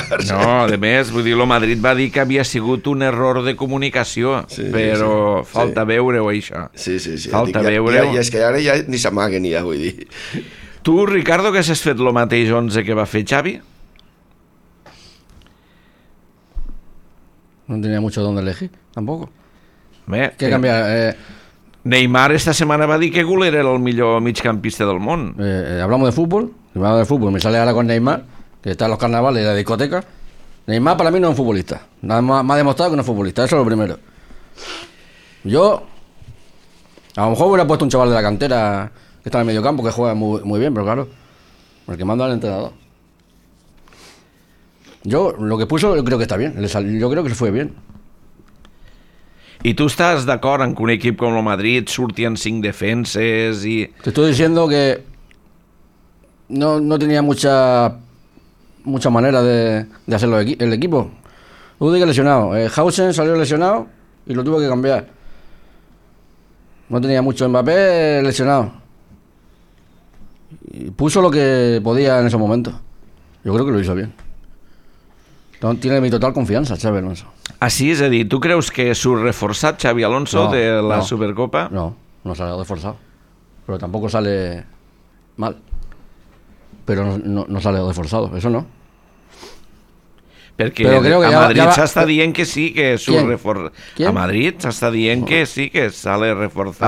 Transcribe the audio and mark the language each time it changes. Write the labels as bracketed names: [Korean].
[Catalan] No, a més, vull dir, el Madrid va dir que havia sigut un error de comunicació, sí, però sí, falta sí. Veure-ho això. Sí. Falta ja, veure-ho. Ja, és que ara ja ni s'amaguen ja, vull dir. Tu, Ricardo, que has fet el mateix 11 que va fer Xavi? [Spanish] No tenia mucho donde elegir, [Catalan] tampoc. Bé, que canvia... [Spanish] Neymar esta semana va a decir que Guler era el mejor mediocampista del mundo. Hablamos de fútbol, me sale ahora con Neymar, que está en los carnavales y la discoteca. Neymar para mí no es un futbolista, nada más me ha demostrado que no es futbolista, eso es lo primero. Yo, a lo mejor hubiera puesto un chaval de la cantera que está en el mediocampo, que juega muy, muy bien, pero claro, porque manda al entrenador. Yo lo que puso, yo creo que está bien, yo creo que se fue bien. [Catalan] I tu estàs d'acord en que un equip com el Madrid surti en 5 defenses i... [Spanish] Te estoy diciendo que no tenía mucha manera de hacerlo el equipo. Udi que lesionado. Hausen salió lesionado y lo tuvo que cambiar. No tenía mucho Mbappé lesionado. Y puso lo que podía en ese momento. Yo creo que lo hizo bien. Entonces, tiene mi total confianza, Xavi Alonso. [Catalan] Ah, sí, és a dir, tu creus que s'ho ha reforçat Xavi Alonso no, de la no, Supercopa? No s'ha reforçat, però tampoc [Spanish] sale mal, [Catalan] però no s'ha reforçat, això no. Perquè però [Spanish] creo [Catalan] que a Madrid s'està dient que sí, que s'ho ha reforçat. A Madrid s'està dient que sí, que s'ha reforçat.